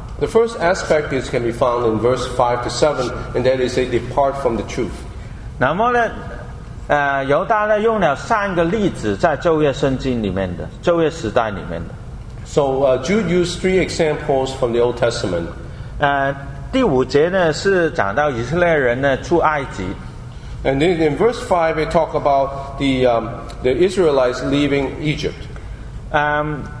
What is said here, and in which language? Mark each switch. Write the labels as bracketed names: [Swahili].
[English] The first aspect is can be found in verse 5 to 7, and that is they depart from the truth. [Chinese] 那么呢？犹大呢用了三个例子在旧约圣经里面的旧约时代里面的。 [English] So Jude used three examples from the Old Testament. [Chinese] 第五节呢是讲到以色列人呢出埃及。 [English] And then in verse 5 it talk about the Israelites leaving Egypt.